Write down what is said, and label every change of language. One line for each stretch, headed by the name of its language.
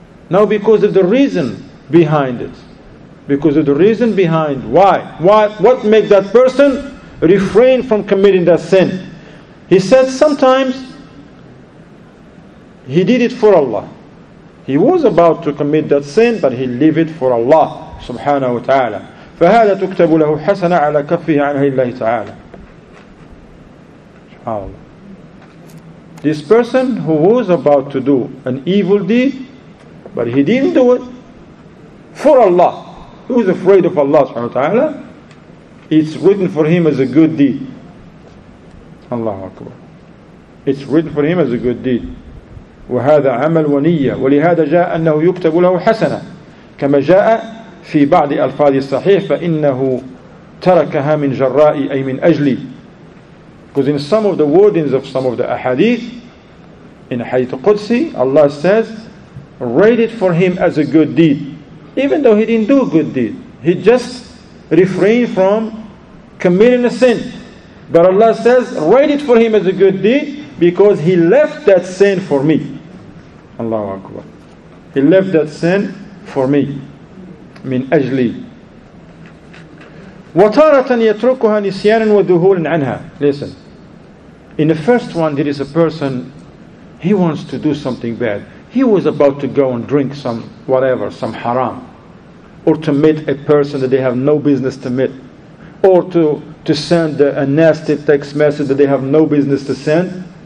English: Now because of the reason behind it, because of the reason behind why, what makes that person refrain from committing that sin? He said sometimes he did it for Allah. He was about to commit that sin, but he leave it for Allah subhanahu wa ta'ala.
Arabic: فهذا تكتب له حسنة على كفه عنه الله تعالى.
English: This person who was about to do an evil deed, but he didn't do it for Allah. He was afraid of Allah subhanahu wa ta'ala. It's written for him as a good deed. Allahu Akbar. It's written for him as a good deed.
Arabic: وهذا عمل ونية. ولهذا جاء أنه يكتب له حسنة. كما جاء في بعض الفاظ الصحيح فانه تركها من جرائي اي من اجلي.
English: Because in some of the wordings of some of the ahadith, in hadith Qudsi, Allah says, rate it for him as a good deed. Even though he didn't do a good deed, he just refrained from committing a sin. But Allah says, rate it for him as a good deed because he left that sin for me. Allahu Akbar. He left that sin for me.
Arabic: من أجلي وطارة يتركها نسيانا وذهولا عنها.
English: Listen, in the first one there is a person, he wants to do something bad, he was about to go and drink some whatever, some haram, or to meet a person that they have no business to meet, or to send a nasty text message that they have no business to send.